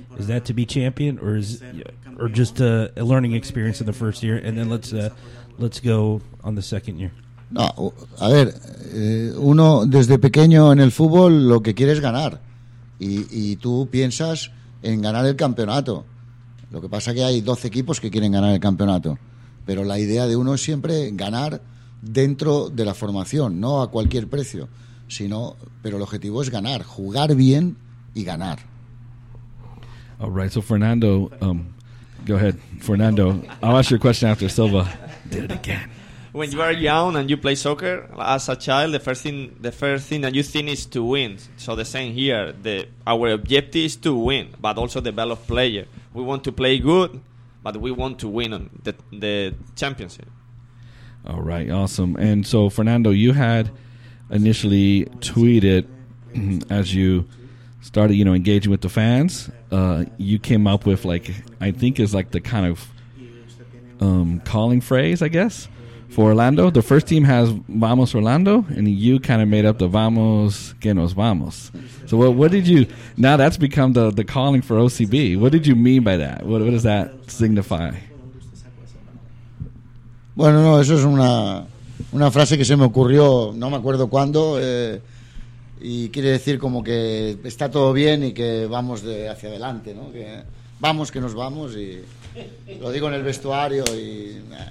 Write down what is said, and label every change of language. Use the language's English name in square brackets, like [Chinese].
[English] Is that to be champion, or just a learning experience in the first year, and then let's go on the second year? [Spanish] No, a ver, uno desde pequeño en el fútbol lo que quiere es ganar, y tú piensas en ganar el campeonato. Lo que pasa que hay 12 equipos que quieren ganar el campeonato, pero la idea de uno es siempre ganar dentro de la formación, no a cualquier precio, pero el objetivo es ganar, jugar bien y ganar. [English] All right, so Fernando, go ahead, Fernando. I'll ask your question after Silva did it again. When you are young and you play soccer as a child, the first thing that you think is to win. So the same here, our objective is to win, but also develop player. We want to play good, but we want to win the championship. All right, awesome. And so Fernando, you had initially tweeted as you started, you know, engaging with the fans. You came up with, like, I think it's like the kind of calling phrase, I guess, for Orlando. The first team has Vamos Orlando, and you kind of made up the Vamos Que Nos Vamos. So what did you, now that's become the calling for OCB. What did you mean by that? What does that signify? [Spanish] Bueno, no, eso es una frase que se me ocurrió, no me acuerdo cuándo, y quiere decir como que está todo bien y que vamos hacia adelante, ¿no? Que vamos, que nos vamos, y lo digo en el vestuario y...